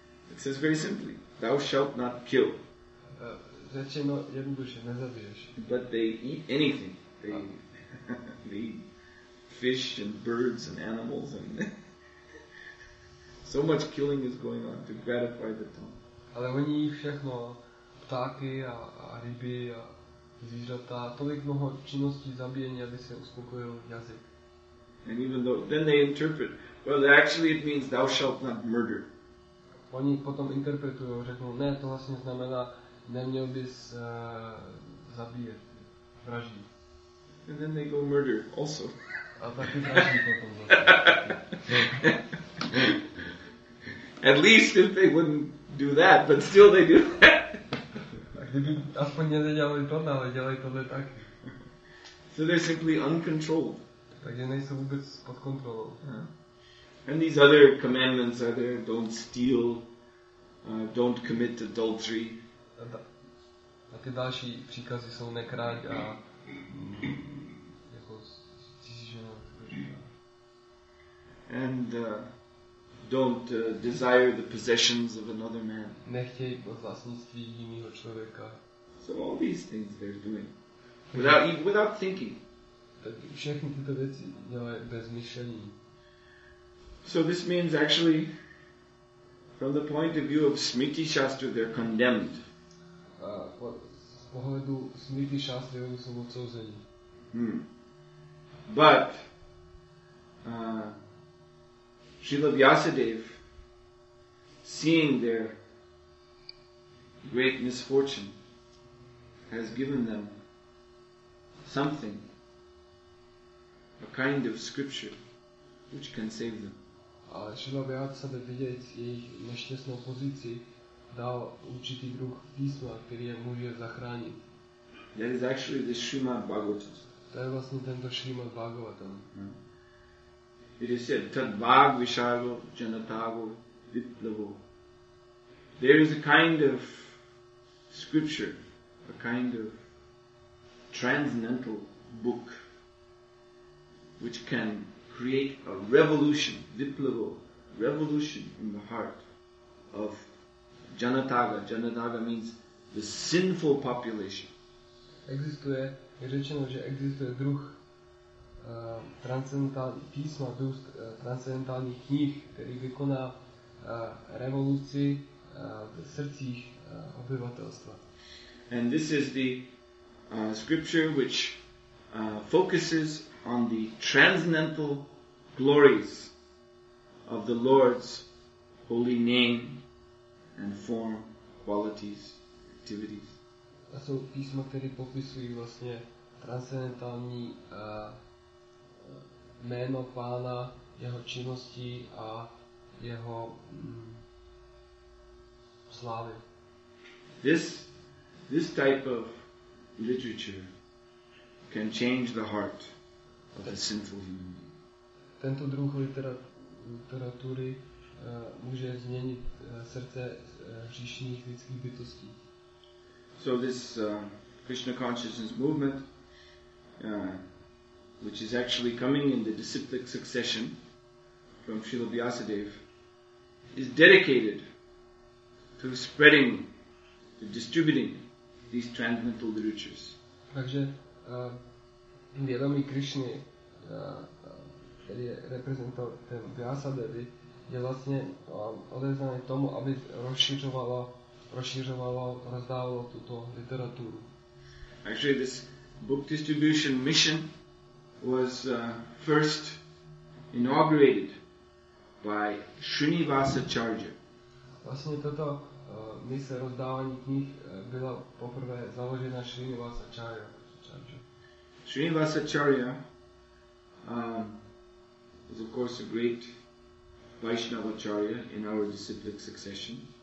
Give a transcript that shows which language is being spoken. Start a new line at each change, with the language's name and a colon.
English: It says very simply, thou shalt not kill.
Czech: Řečeno jednoduše, nezabiješ.
English: But they eat anything. They, they eat fish and birds and animals and so much killing is going on to gratify the tongue.
Czech: Ale oni jí všechno, ptáky a ryby a zvířata, tolik mnoho činností zabíjení, aby se uspokojil jazyk.
English: And even though, then they interpret, well actually it means thou shalt not murder.
Czech: Oni potom interpretují, řeknou, ne, to vlastně znamená, neměl bys zabíjet, vraždit.
English: And then they go murder also.
Czech: A taky vraždí potom.
English: At least if they wouldn't do that, but still they do that.
Czech: Kdyby aspoň nedělali to, ale dělají tohle taky.
English: So they're simply uncontrolled.
Czech: Takže nejsou vůbec pod kontrolou.
English: And these other commandments are there, don't steal, don't commit adultery.
Czech: A ty další příkazy jsou nekrať a jako cizí ženu.
English: And don't desire the possessions of another man.
Czech: Nechtěj vlastnictví jiného člověka.
English: So all these things they're doing. Without thinking.
Czech: Tak všechny tyto věci dělají bez myšlení.
English: So this means actually, from the point of view of Smriti Shastra, they're condemned.
Czech: Z pohledu Smriti Shastra, oni jsou odsouzeni.
English: But Srila Vyasadeva, seeing their great misfortune, has given them something, a kind of scripture, which can save them.
Czech: Ale Srila Vyasadeva, vidějíc jejich nešťastnou pozici, dal určitý druh písma, který je může zachránit.
English: That is actually the Srimad Bhagavatam.
Czech: To je vlastně tento Srimad Bhagavatam.
English: It is said,
Sanskrit: tad bhag visharo janatago vitlavo.
English: There is a kind of scripture, a kind of transcendental book, which can create a revolution, viplavo, revolution in the heart of janataga. Janataga means the sinful population.
Czech: Existuje, je řečeno, že existuje druh transcendentální písma, druh transcendentálních knih, který vykoná revoluci v srdcích obyvatelstva.
English: And this is the scripture which focuses on the transcendental glories of the Lord's holy name and form, qualities, activities.
Czech: A jsou písma, které popisují vlastně transcendentální jméno Pána, jeho činnosti a jeho slávy.
English: This type of literature can change the heart of a sinful human.
Czech: Tento druh literatury může změnit srdce hříšných lidských bytostí.
English: So this Krishna consciousness movement, which is actually coming in the disciplic succession from Srila Vyasadeva, is dedicated to spreading, to distributing these transcendental literatures.
Czech: Takže vědomí Krishny, který je reprezentantem Vyasadevy, je vlastně odezvaný tomu, aby rozšiřovalo, rozdávalo tuto literaturu.
English: Actually, this book distribution mission was first inaugurated by Srinivasacharya.
Czech: Vlastně tato mise rozdávání knih byla poprvé založena Srinivasacharya.
English: Srinivasacharya was of course a great Vaishnavacharya in our disciplic succession.